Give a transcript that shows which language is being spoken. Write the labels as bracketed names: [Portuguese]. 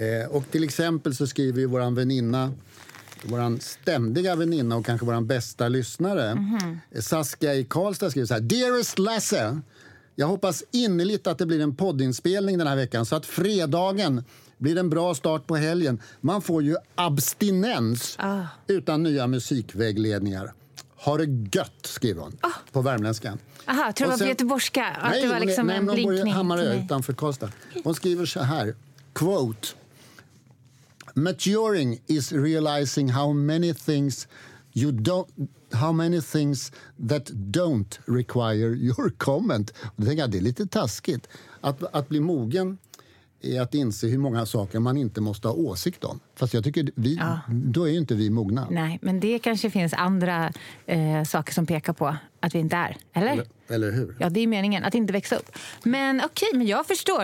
[Swedish] Och till exempel så skriver ju våran väninna, våran ständiga väninna och kanske våran bästa lyssnare, Saskia i Karlstad skriver så här: Dearest Lasse, jag hoppas innerligt att det blir en poddinspelning den här veckan så att fredagen blir en bra start på helgen. Man får ju abstinens utan nya musikvägledningar. Ha det gött, skriver hon. På värmländska. Aha, tror jag på göteborgska. Nej, det var liksom nej, en hon bor i Hammarö utanför Karlstad. Hon skriver så här, [English] quote: Maturing is realizing how many things you don't, how many things that don't require your comment. [Swedish] Och då tänker jag, det är lite taskigt att bli mogen är att inse hur många saker man inte måste ha åsikt om. Fast jag tycker, då är ju inte vi mogna. Nej, men det kanske finns andra saker som pekar på att vi inte är, eller? Eller hur? Ja, det är meningen, att inte växa upp. Men okej, men jag förstår.